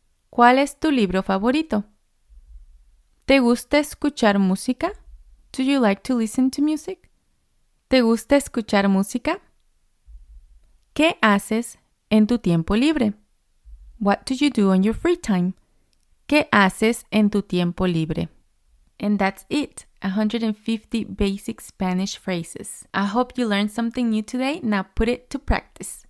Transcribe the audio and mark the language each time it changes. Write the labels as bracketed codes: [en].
[es] ¿Cuál es tu libro favorito? ¿Te gusta escuchar música? [en] Do you like to listen to music? [es] ¿Te gusta escuchar música? ¿Qué haces en tu tiempo libre? [en] What do you do on your free time? [es] ¿Qué haces en tu tiempo libre? [en] And that's it, 150 basic Spanish phrases. I hope you learned something new today. Now put it to practice.